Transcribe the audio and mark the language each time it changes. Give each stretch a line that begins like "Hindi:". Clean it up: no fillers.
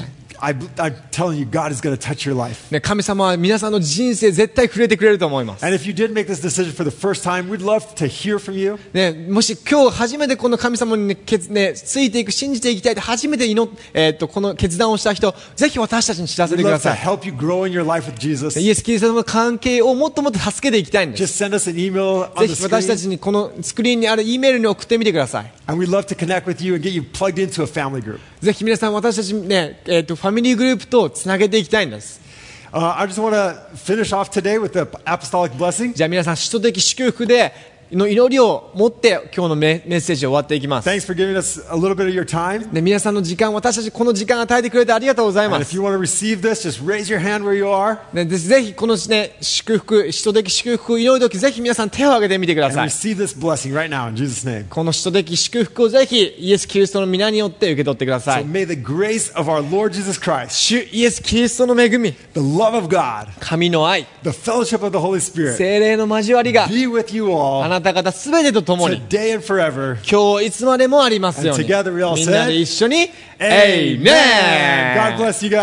English: And I'm telling you, God is going to touch your life.
Japanese: ね、神様は皆さんの人生絶対触れてくれると思います。
English: And if you did make this decision for the first time, we'd love to hear from you.
Japanese: ね、もし今日初めてこの神様に決、ね、ついていく、信じていきたいって初めて祈、この決断をした人、ぜひ私たちに知らせてください。
English: We'd love to help you grow in your life with Jesus.
Japanese: イエス・キリスト様の関係をもっともっと助けていきたいんです。
English: Just send us an email on the screen.
Japanese: ぜひ私たちにこのスクリーンにある E メールに送ってみてください。
English: And we'd love to connect with you and get you plugged into a family group.
Japanese: ぜひ皆さん私たちね、ファミリーグループとつなげていきたいんです。
English: I just want to finish off today with the apostolic blessing.
Japanese: じゃあ皆さん使徒的祝福での祈りを持って今日のメッセージを終わっていきます。
English: Thanks for giving us a little bit of your time.
Japanese: で皆さんの時間、私たちこの時間与えてくれてありがとうございます。
English: And if you want to receive this, just raise your hand where you are.
Japanese: ね、ぜひこのね祝福、使徒的祝福を祈るときぜひ皆さん手を挙げてみてください。
English: And receive this blessing right now in Jesus' name.
Japanese: この使徒的祝福をぜひイエス・キリストの御名によって受け取ってください。
English: So may the grace of our Lord Jesus Christ.
Japanese: 主イエス・キリストの恵み。
English: The love of God.
Japanese: 神の愛。
English: The fellowship of the Holy Spirit.
Japanese: 聖霊の交わりが。
English: Be with you all.
Japanese: あなた方すべてとともに今日いつまでもありますようにみんなで一緒に Amen。
English: God bless you guys。